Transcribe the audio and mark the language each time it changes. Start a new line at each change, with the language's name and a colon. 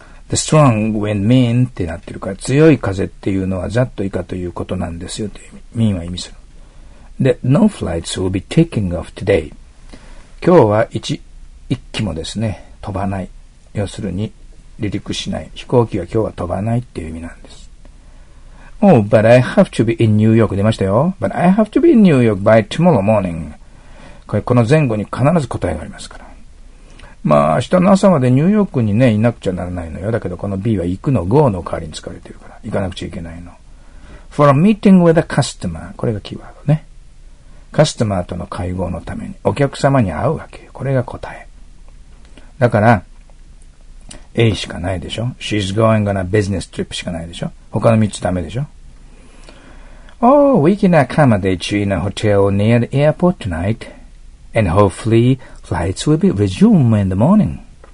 English: The strong wind mean
Japanese: ってなってるから、強い風っていうのはざっと以下ということなんですよという意味。mean は意味する。
English: で、no flights will be taking off today.
Japanese: 今日は一機もですね、飛ばない。要するに、離陸しない。飛行機は今日は飛ばないっていう意味なんです。
English: Oh, but I have to be in New York.
Japanese: 出ましたよ。
English: But I have to be in New York by tomorrow morning.
Japanese: この前後に必ず答えがありますから。まあ、明日の朝までニューヨークにね、いなくちゃならないのよ。だけど、この B は行くの、go の代わりに使われてるから。行かなくちゃいけないの。
English: For a meeting with a customer.
Japanese: これがキーワードね。カスタマーとの会合のために、お客様に会うわけ。これが答え。だから、A しかないでしょ。
English: She's going on a business trip
Japanese: しかないでしょ。他の3つダメでしょ。
English: Oh, we can accommodate you in a hotel near the airport tonight. And hopefully, flights will be resumed in the morning.